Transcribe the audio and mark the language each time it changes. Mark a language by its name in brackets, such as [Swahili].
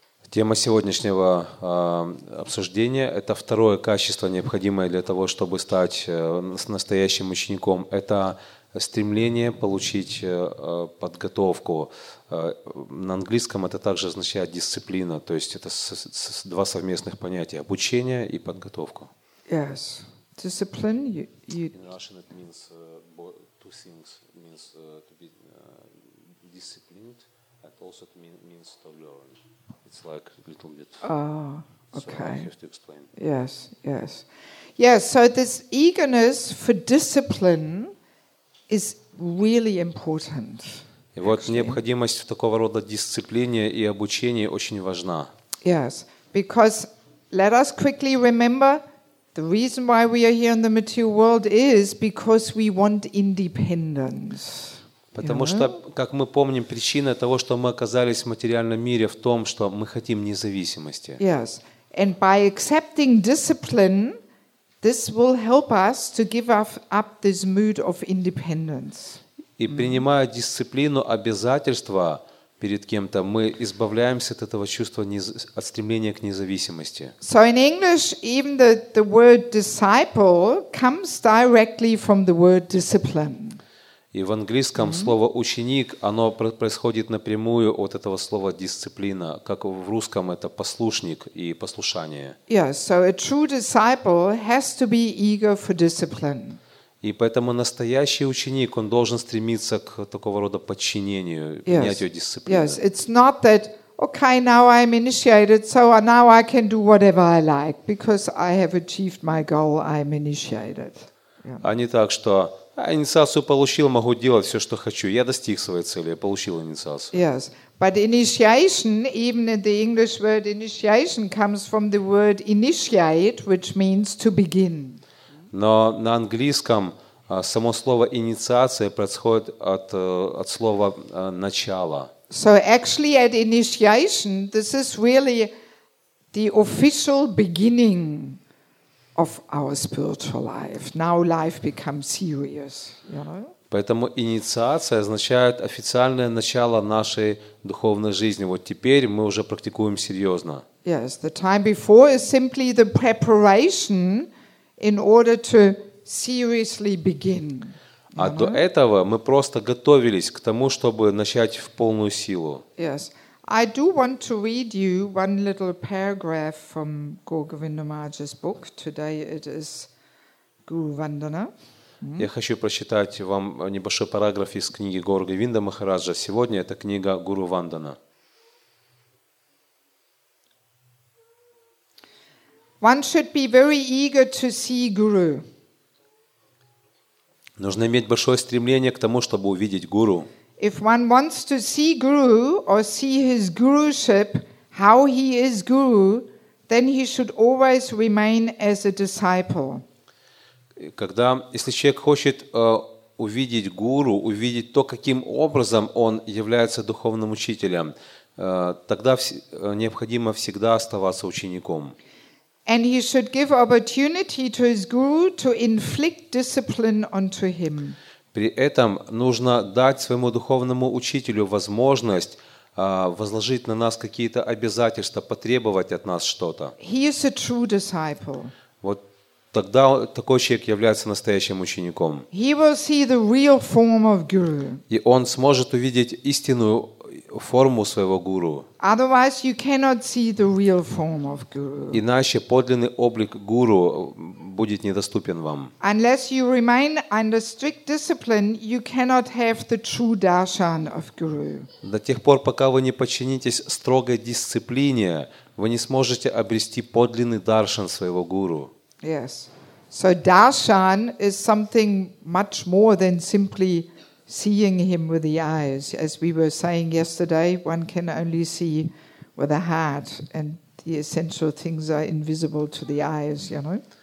[Russian] Тема сегодняшнего обсуждения – это второе качество, необходимое для того, чтобы стать настоящим учеником. Это стремление получить подготовку. На английском это также означает дисциплина, то есть это два совместных понятия – обучение и подготовку. [English] Yes, discipline. In Russian it means two things. It means to be disciplined, and also it means to learn. It's like a little bit. Okay. So I have to explain. Yes, yes, yes. So this eagerness for discipline is really important. [Russian] И вот необходимость в такого рода дисциплине и обучении очень важна. [English] Yes, because let us quickly remember the reason why we are here in the material world is because we want independence. [Russian] Потому что, как мы помним, причина того, что мы оказались в материальном мире, в том, что мы хотим независимости. [English] Yes, and by accepting discipline, this will help us to give up this mood of independence. [Russian] И принимая дисциплину, обязательства перед кем-то, мы избавляемся от этого чувства, от стремления к независимости. [English] So in English, even the word disciple comes directly from the word discipline. [Russian] И в английском слово ученик, оно происходит напрямую от этого слова дисциплина, как в русском это послушник и послушание. [English] Yes, so a true disciple has to be eager for discipline. [Russian] И поэтому настоящий ученик, он должен стремиться к такого рода подчинению, принятию дисциплины. [English] Yes, it's not that, okay, now I'm initiated, so now I can do whatever I like, because I have achieved my goal, I'm initiated. [Russian] А не так, что инициацию получил, могу делать все, что хочу. Я достиг своей цели, я получил инициацию. [English] Yes, but initiation, even the English word initiation, comes from the word initiate, which means to begin. [Russian] Но на английском само слово инициация происходит от слова начало. [English] So actually at initiation this is really the official beginning of our spiritual life. Now life becomes serious, you know? [Russian] Поэтому инициация означает официальное начало нашей духовной жизни. Вот теперь мы уже практикуем серьезно. [English] Yes, the time before is simply the preparation in order to seriously begin. [Russian] А до этого мы просто готовились к тому, чтобы начать в полную силу. [English] Yes. I do want to read you one little paragraph from Guru Govinda Maharaj's book. Today it is Guru Vandana. [Russian] Я хочу прочитать вам небольшой параграф из книги Гуру Говинда Махараджа. Сегодня это книга Гуру Вандана. [English] One should be very eager to see Guru. [Russian] Нужно иметь большое стремление к тому, чтобы увидеть Гуру. [English] If one wants to see Guru or see his Guruship, how he is Guru, then he should always remain as a disciple. [Russian] Когда, если человек хочет увидеть Гуру, увидеть то, каким образом он является духовным учителем, тогда необходимо всегда оставаться учеником. [English] And he should give opportunity to his guru to inflict discipline onto him. [Russian] При этом нужно дать своему духовному учителю возможность возложить на нас какие-то обязательства, потребовать от нас что-то. [English] He is a true disciple. [Russian] Вот тогда такой человек является настоящим учеником. [English] He will see the real form of guru. [Russian] И он сможет увидеть истинную форму своего гуру. [English] Otherwise, you cannot see the real form of guru. [Russian] Иначе подлинный облик гуру будет недоступен вам. [English] Unless you remain under strict discipline, you cannot have the true darshan of guru. [Russian] До тех пор, пока вы не подчинитесь строгой дисциплине, вы не сможете обрести подлинный даршан своего гуру. [English] Yes. So darshan is something much more than simply seeing him with the eyes. As we were saying yesterday, one can only see with the heart, and the essential things are invisible to the eyes, you know.